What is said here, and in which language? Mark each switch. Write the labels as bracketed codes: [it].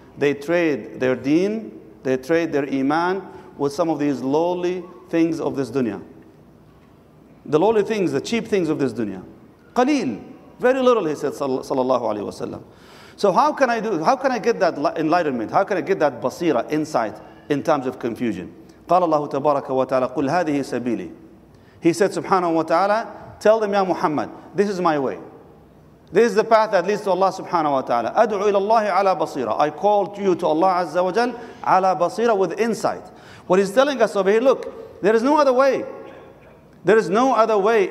[en] They trade their deen, they trade their iman with some of these lowly things of this dunya. The lowly things, the cheap things of this dunya. [ar] قَلِيل. [en] Very little, he said, sallallahu alayhi wa sallam. So how can I get that enlightenment? How can I get that basira, insight, in times of confusion? [ar] قال الله تبارك وتعالى قل هذه سبيلي. [en] He said subhanahu wa ta'ala, tell them, ya Muhammad, this is my way. This is the path that leads to Allah subhanahu wa ta'ala. [ar] أدعو إلى الله على بصيرة. [en] I call to you to Allah Azza wa Jal [ar] على بصيرة, [en] with insight. What he's telling us over here, look, there is no other way. There is no other way.